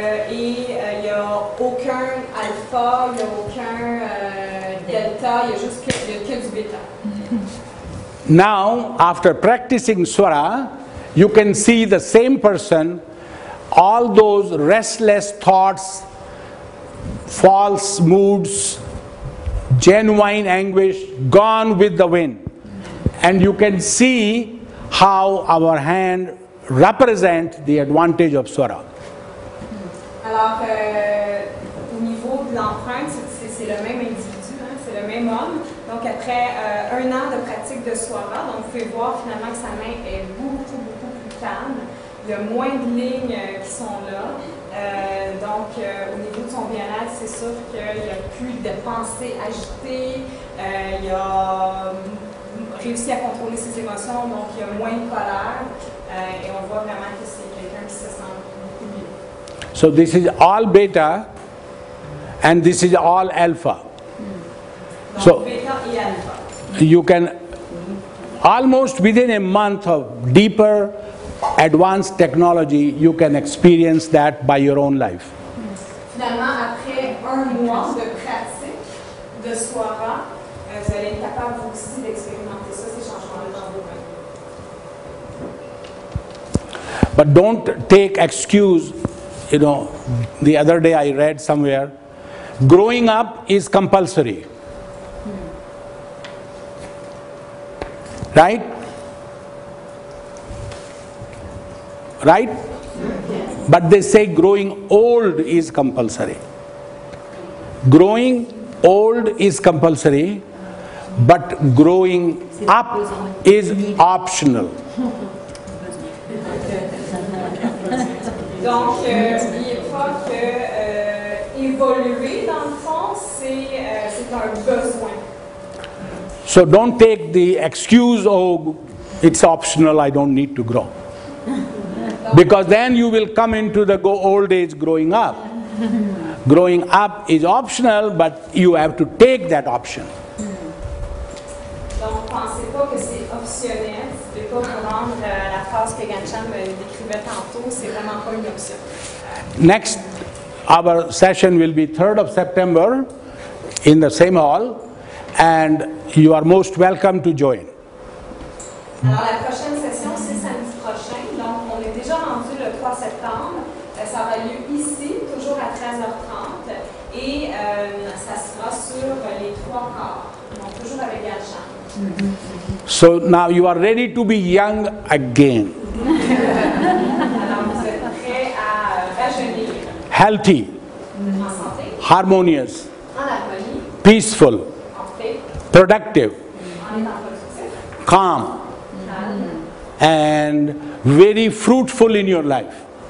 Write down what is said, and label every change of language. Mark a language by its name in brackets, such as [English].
[French] Il n'y a aucun alpha, il n'y a aucun delta, il n'y a juste que du bêta. [English] Now, after practicing Swara, you can see the same person, all those restless thoughts, false moods, genuine anguish, gone with the wind. And you can see how our hand represents the advantage of Swara. [French] Alors, au niveau de l'empreinte, c'est le même individu, hein, c'est le même homme. Donc après un an de pratique de Swara, donc vous pouvez voir finalement que sa main est beaucoup, beaucoup plus calme. Il y a moins de lignes qui sont là. Donc, au niveau de son bien-être, c'est sûr qu'il n'y a plus de pensées agitées. Il a réussi à contrôler ses émotions, donc il y a moins de colère. Et on voit vraiment que c'est quelqu'un qui se sent beaucoup mieux. [English] So this is all beta, and this is all alpha. [French] Donc, so, beta et alpha. [English] You can almost within a month of deeper advanced technology, you can experience that by your own life. [French] Finalement, après un mois de pratique de Swara, vous allez être capable vous aussi d'expérimenter ça, ces changements-là dans vos mains. [English] But don't take excuse, you know, the other day I read somewhere, growing up is compulsory. Right? Right? Yes. But they say growing old is compulsory. Growing old is compulsory, but growing up is optional. [French] Donc, n'oubliez pas que évoluer dans le fond, c'est un besoin. [English] So don't take the excuse, oh, it's optional, I don't need to grow. Because then you will come into the old age growing up. Growing up is optional, but you have to take that option. [French] Donc, pensez pas que c'est optionnel. C'est pas vraiment la phase que Ganchan me décrivait tantôt. C'est vraiment pas une option. [English] Next, our session will be 3rd of September in the same hall, and you are most welcome to join. [French] Alors, la prochaine session, c'est samedi prochain. Donc, on est déjà rendu le 3 septembre. Ça aura lieu ici, toujours à 13h30, et ça sera sur les trois corps. Donc, toujours avec Ganchan. [English] So now you are ready to be young again. Healthy, harmonious, peaceful, productive, calm, and very fruitful in your life.